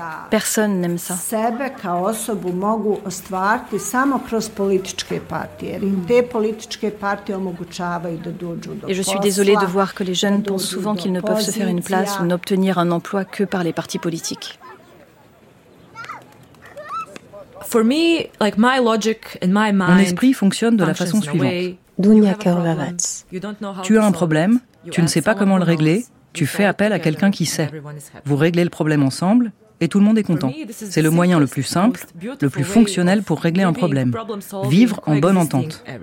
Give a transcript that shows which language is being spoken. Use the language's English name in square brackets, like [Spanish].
[French] Personne n'aime ça. [Bosnian] Sebe kao osobu mogu ostvariti samo kroz političke partije. Te političke partije omogućavaju da dođu do. [French] Et je suis désolée de voir que les jeunes pensent souvent qu'ils ne peuvent se faire une place ou n'obtenir un emploi que par les partis politiques. [English] For me, like my logic and my mind. [French] Mon esprit fonctionne de la façon suivante. Dunja Kervavats. Tu as un problème? Tu ne sais pas comment le régler, tu fais appel à quelqu'un qui sait. Vous réglez le problème ensemble et tout le monde est content. C'est le moyen le plus simple, le plus fonctionnel pour régler un problème. Vivre en bonne entente.